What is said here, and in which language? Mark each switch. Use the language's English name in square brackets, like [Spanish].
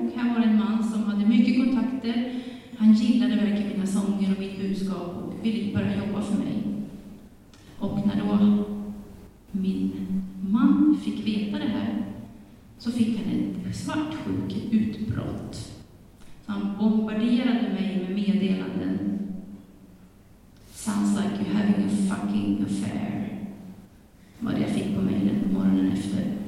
[Swedish] Och här var en man som hade mycket kontakter. Han gillade verkligen mina sånger och mitt budskap och ville börja jobba för mig. Och när då min man fick veta det här så fick han ett svartsjukt utbrott. Så han bombarderade mig med meddelanden. [English] Sounds like you're having a fucking affair. [Swedish] Vad jag fick på mejlen på morgonen efter.